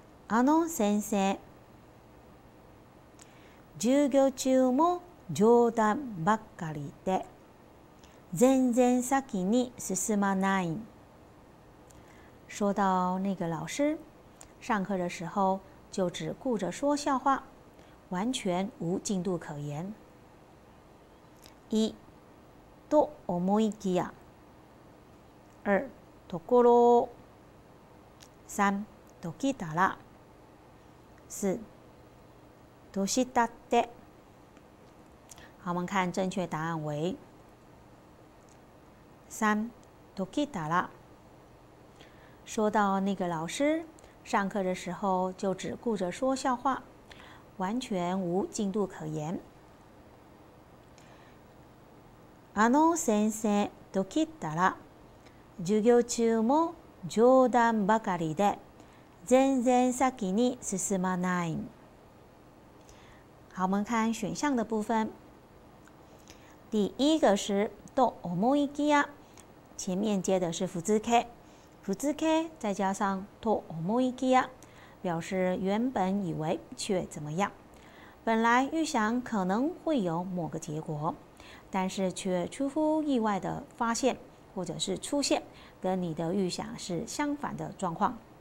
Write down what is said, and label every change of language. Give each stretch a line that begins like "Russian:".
Japanese: あの先生、授業中も冗談ばっかりで全然先に進まない。
Chinese: 说到那个老师，上课的时候就只顾着说笑话，完全无进度可言。
Japanese: 一、と思いきや。二、ところ。三、ときたら。四、どしたって。
Chinese: 好，我们看正确答案为三、ときたら。说到那个老师，上课的时候就只顾着说笑话，完全无进度可言。
Japanese: あの先生、ときたら、授業中も冗談ばかりで、全然先に進まない。
Chinese: 好，我们看选项的部分。第一个是と思いきや，前面接的是辅助 K。辅助 K 再加上と思いきや，表示原本以为却怎么样，本来预想可能会有某个结果，但是却出乎意外的发现或者是出现跟你的预想是相反的状况。